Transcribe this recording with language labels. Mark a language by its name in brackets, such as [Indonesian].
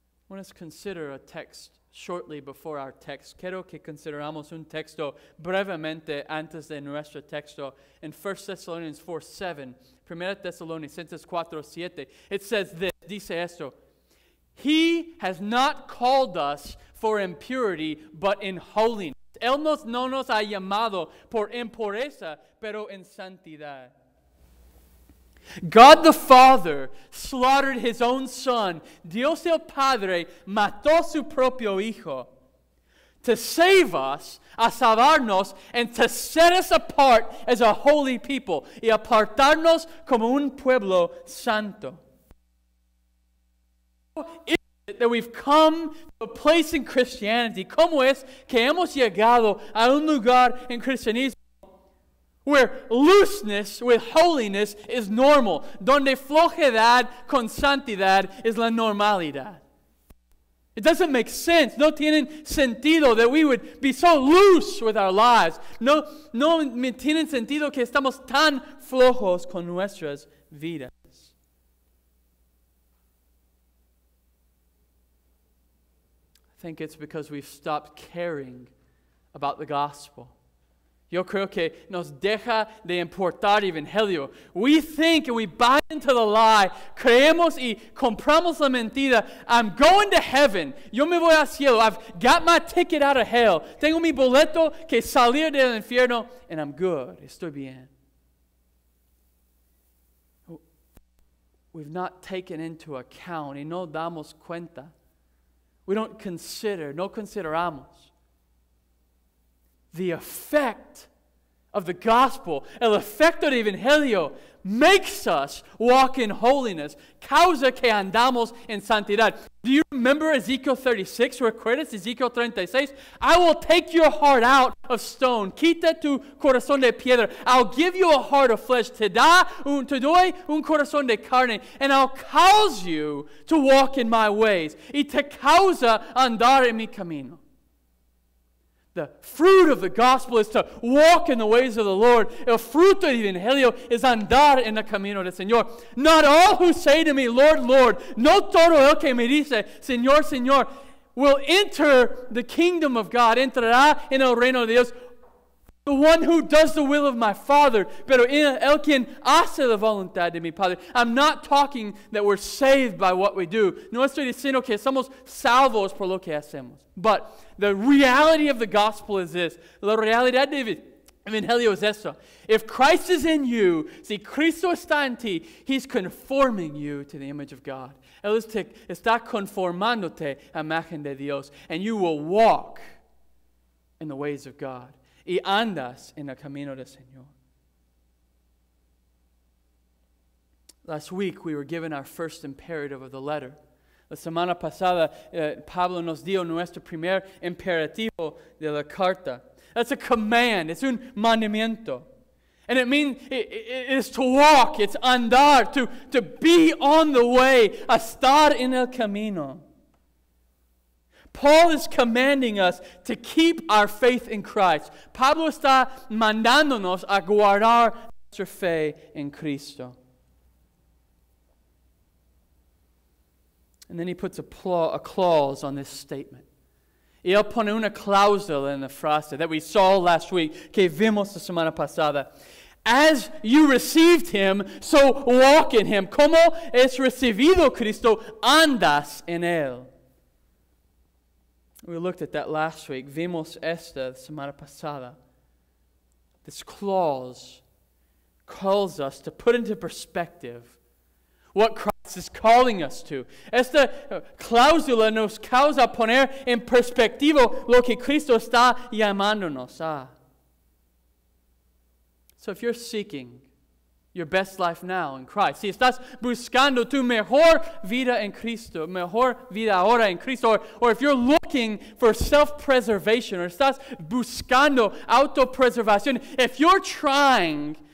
[English] Want us to consider a text shortly before our text. [Spanish] Quiero que consideramos un texto brevemente antes de nuestro texto. [English] In 1 Thessalonians 4:7, 1 Thessalonians 4:7, it says this, [Spanish] dice esto, [English] He has not called us for impurity, but in holiness. [Spanish] Él no nos ha llamado por impureza, pero en santidad. [English] God the Father slaughtered His own Son. [Spanish] Dios el Padre mató su propio Hijo [English] to save us, [Spanish] a salvarnos, [English] and to set us apart as a holy people, [Spanish] y apartarnos como un pueblo santo. [English] That we've come to a place in Christianity. [Spanish] ¿Cómo es que hemos llegado a un lugar en cristianismo [English] where looseness with holiness is normal? [Spanish] Donde flojedad con santidad es la normalidad. [English] It doesn't make sense. [Spanish] No tienen sentido [English] that we would be so loose with our lives. [Spanish] No tienen sentido que estamos tan flojos con nuestras vidas. [English] I think it's because we've stopped caring about the gospel. [Spanish] Yo creo que nos deja de importar el evangelio. [English] We think and we buy into the lie. [Spanish] Creemos y compramos la mentira. [English] I'm going to heaven. [Spanish] Yo me voy al cielo. [English] I've got my ticket out of hell. [Spanish] Tengo mi boleto que salir del infierno. [English] And I'm good. [Spanish] Estoy bien. [English] We've not taken into account. [Spanish] Y no damos cuenta. [English] We don't consider, [Spanish] no consideramos [English] the effect of the gospel. [Spanish] El efecto del evangelio [English] makes us walk in holiness. [Spanish] Causa que andamos en santidad. [English] Do you remember Ezekiel 36? [Spanish] ¿Recuerdas Ezekiel 36? [English] I will take your heart out of stone. [Spanish] Quita tu corazón de piedra. [English] I'll give you a heart of flesh. [Spanish] Te doy un corazón de carne. [English] And I'll cause you to walk in my ways. [Spanish] Y te causa andar en mi camino. [English] The fruit of the gospel is to walk in the ways of the Lord. [Spanish] El fruto del evangelio es andar en el camino del Señor. [English] Not all who say to me, Lord, Lord, [Spanish] no todo el que me dice, Señor, Señor, [English] will enter the kingdom of God, [Spanish] entrará en el reino de Dios. [English] The one who does the will of my Father, [Spanish] pero el quien hace la voluntad de mi Padre. [English] I'm not talking that we're saved by what we do. [Spanish] No estoy diciendo que somos salvos por lo que hacemos. [English] But the reality of the gospel is this. [Spanish] La realidad de evangelio es esto. [English] If Christ is in you, [Spanish] si Cristo está en ti, [English] He's conforming you to the image of God. [Spanish] Él está conformándote a imagen de Dios. [English] And you will walk in the ways of God. [Spanish] Y andas en el camino del Señor. [English] Last week, we were given our first imperative of the letter. [Spanish] La semana pasada, Pablo nos dio nuestro primer imperativo de la carta. [English] That's a command. It's [Spanish] un mandamiento. [English] And it means it is to walk. It's andar, to be on the way, [Spanish] a estar en el camino. [English] Paul is commanding us to keep our faith in Christ. [Spanish] Pablo está mandándonos a guardar nuestra fe en Cristo. [English] And then he puts a clause on this statement. [Spanish] Y él pone una cláusula en la frase [English] that we saw last week, [Spanish] que vimos la semana pasada. [English] As you received Him, so walk in Him. [Spanish] Como es recibido Cristo, andas en Él. [English] We looked at that last week. [Spanish] Vimos esta semana pasada. [English] This clause calls us to put into perspective what Christ is calling us to. [Spanish] Esta cláusula nos causa poner en perspectivo lo que Cristo está llamándonos a. [English] So if you're seeking your best life now in Christ. [Spanish] Si estás buscando tu mejor vida en Cristo, mejor vida ahora en Cristo, [English] or if you're looking for self-preservation, [Spanish] or estás buscando autopreservación, [English] if you're trying